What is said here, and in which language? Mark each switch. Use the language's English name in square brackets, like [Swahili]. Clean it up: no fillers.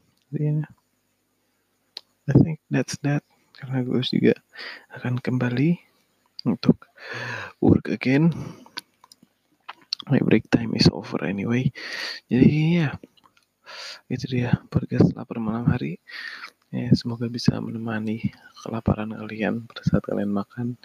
[Indonesian] Jadi ya, [English] I think that's that. [Indonesian] Karena gue juga akan kembali untuk [English] work again. My break time is over anyway. [Indonesian] Jadi ya, itu dia podcast lapar malam hari. Ya, semoga bisa menemani kelaparan kalian pada saat kalian makan.